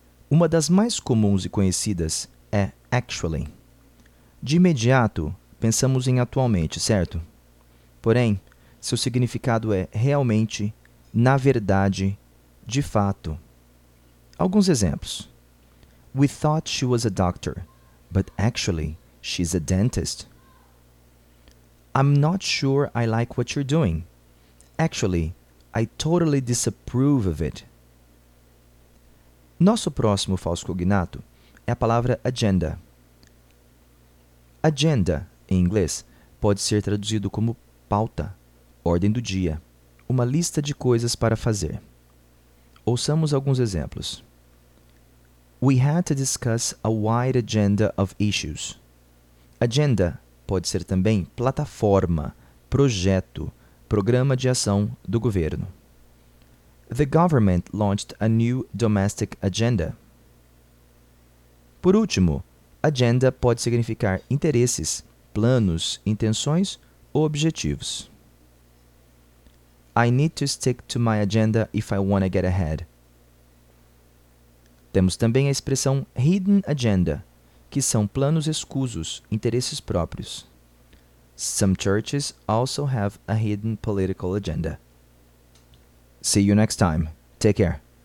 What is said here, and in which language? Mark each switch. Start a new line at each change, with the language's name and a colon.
Portuguese: Uma das mais comuns e conhecidas é actually. De imediato, pensamos em atualmente, certo? Porém, seu significado é realmente, na verdade, de fato. Alguns exemplos.
English: We thought she was a doctor, but actually, she's a dentist. I'm not sure I like what you're doing. Actually, I totally disapprove of it.
Portuguese: Nosso próximo falso cognato é a palavra agenda. Agenda, em inglês, pode ser traduzido como pauta, ordem do dia, uma lista de coisas para fazer. Ouçamos alguns exemplos.
English: We had to discuss a wide agenda of issues.
Portuguese: Agenda pode ser também plataforma, projeto, programa de ação do governo.
English: The government launched a new domestic agenda.
Portuguese: Por último, agenda pode significar interesses, planos, intenções ou objetivos.
English: I need to stick to my agenda if I want to get ahead.
Portuguese: Temos também a expressão hidden agenda, que são planos escusos, interesses próprios.
English: Some churches also have a hidden political agenda. See you next time. Take care.